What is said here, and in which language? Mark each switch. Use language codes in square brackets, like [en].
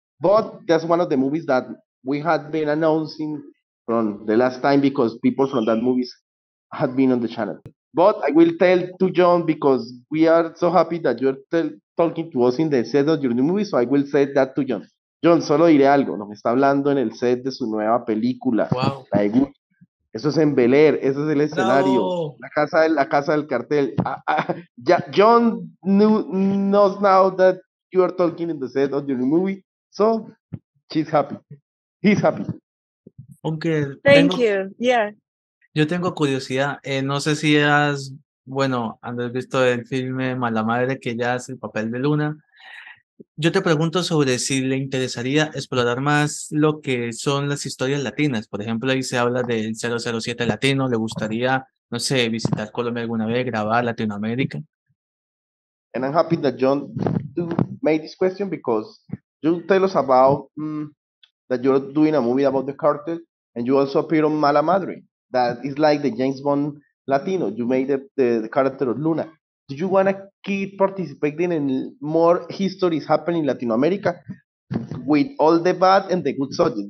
[en] But that's one of the movies that we had been announcing from the last time because people from that movies had been on the channel. But I will tell to Jhon because we are so happy that you're talking to us in the set of your new movie. So I will say that to Jhon. [es] Jhon, solo diré algo, nos está hablando en el set de su nueva película. Wow. Eso es en Bel Air, ese es el escenario. No. La casa del cartel. [en] Jhon knows now that you are talking in the set of your movie. So she's happy. He's happy. [es] Aunque. [en] Thank you. Yeah. [es] Yo tengo curiosidad. No sé si has, bueno, Andrés, visto el filme Mala Madre, que ya hace el papel de Luna. Yo te pregunto sobre si le interesaría explorar más lo que son las historias latinas. Por ejemplo, ahí se habla del 007 latino. ¿Le gustaría, no sé, visitar Colombia alguna vez, grabar Latinoamérica? [en] And I'm happy that Jhon made this question because you tell us about that you're doing a movie about the cartel and you also appear on Mala Madre. That is like the James Bond Latino. You made the character of Luna. Do you want to keep participating in more histories happening in Latin America with all the bad and the good subjects?